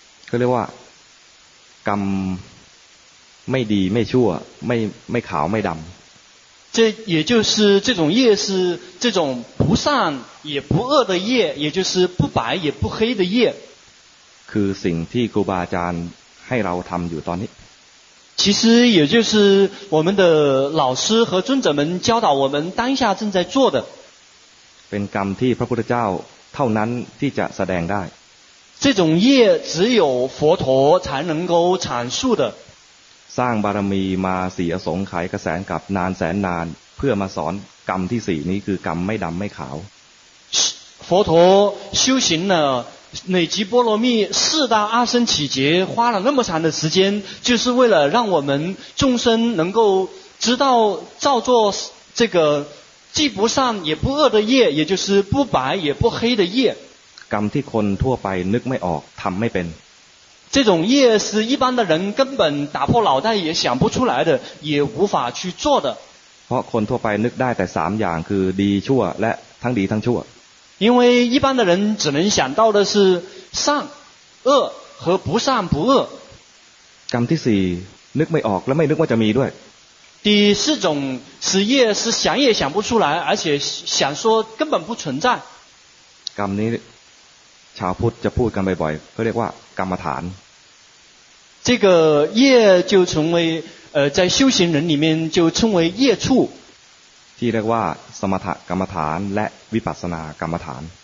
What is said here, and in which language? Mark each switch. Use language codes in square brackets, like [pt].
[th] เรียกว่ากรรมไม่ดีไม่ชั่วไม่ขาวไม่ดำ [zh] 这也就是这种业是这种不善也不恶的业也就是不白也不黑的业 [th] คือสิ่งที่ครูบาอาจารย์ให้เราทำอยู่ตอนนี้ [zh] 其实也就是我们的老师和尊者们教导我们当下正在做的 [th] เป็นกรรมที่พระพุทธเจ้าเท่านั้นที่จะแสดงได้ [zh] 这种业只有佛陀才能够阐述的。 [th] สร้างบารมีมาสี่อสงไขยกระแสกับนานแสนนานเพื่อมาสอนกรรมที่สี่นี้คือกรรมไม่ดำไม่ขาว。 [zh] 佛陀修行了累积波罗蜜四大阿僧祇劫，花了那么长的时间，就是为了让我们众生能够知道造作这个既不善也不恶的业，也就是不白也不黑的业。 [th] กรรมที่คนทั่วไปนึกไม่ออกทำไม่เป็น [zh] 这种业是一般的人根本打破脑袋也想不出来的，也无法去做的。 [th] เพราะคนทั่วไปนึกได้แต่สามอย่างคือดีชั่วและทั้งดีทั้งชั่ว。 [zh] 因为一般的人只能想到的是善、恶和不善不恶。 [th] กรรมที่สี่นึกไม่ออกและไม่นึกว่าจะมีด้วย。 [zh] 第四种是业是想也想不出来，而且想说根本不存在。 [th] กรรมนี้ชาวพุทธจะพูดกันบ่อยๆเขาเรียกว่ากรรมฐาน [zh] 这个业就成为在修行人里面就称为业处 [th] ที่เรียกว่าสมถกรรมฐานและวิปัสสนากรรมฐาน